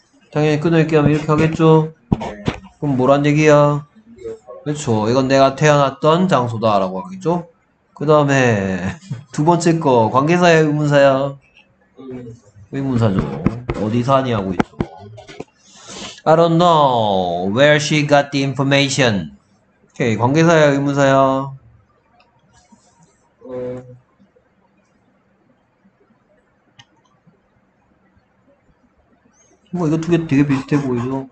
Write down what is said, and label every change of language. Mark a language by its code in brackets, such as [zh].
[ko] 당연히 끊을게 하면 이렇게 하겠죠? 그럼 뭐란 얘기야? 그렇죠. 이건 내가 태어났던 장소다라고 하겠죠? 그 다음에 두 번째 거, 관계사야, 의문사야? 의문사죠. 어디 사니 하고 있죠. [en] I don't know where she got the information. [ko] 오케이, 관계사야, 의문사야? 뭐 이거 두개 되게 비슷해 보이죠?